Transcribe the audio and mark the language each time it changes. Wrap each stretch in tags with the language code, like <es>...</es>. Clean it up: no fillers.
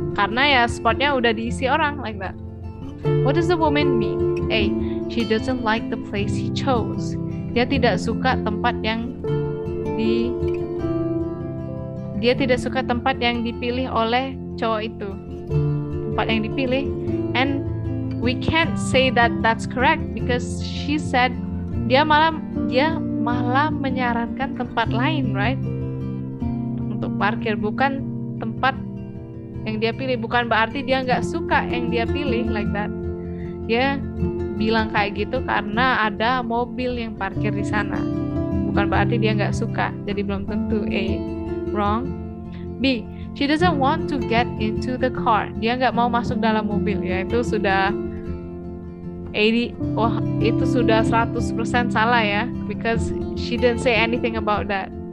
<id>Karena ya spotnya udah diisi orang, like that.</id> <en>What does the woman mean?</en> <id>A.</id> <en>She doesn't like the place he chose.</en> <id>Dia tidak suka tempat yang dipilih oleh cowok itu. Tempat yang dipilih. And</id> <en>we can't say that that's correct because she said</en> <id>dia malah menyarankan tempat lain,</id> <en>right?</en> <id>Untuk parkir, bukan tempat yang dia pilih. Bukan berarti dia nggak suka yang dia pilih, like that. Dia bilang kayak gitu karena ada mobil yang parkir di sana. Bukan berarti dia nggak suka. Jadi belum tentu A, wrong. B,</id> <en>she doesn't want to get into the car.</en> <id>Dia nggak mau masuk dalam mobil. Ya, itu sudah 80, wah, itu sudah 100% salah ya,</id> <en>because she didn't say anything about that.</en>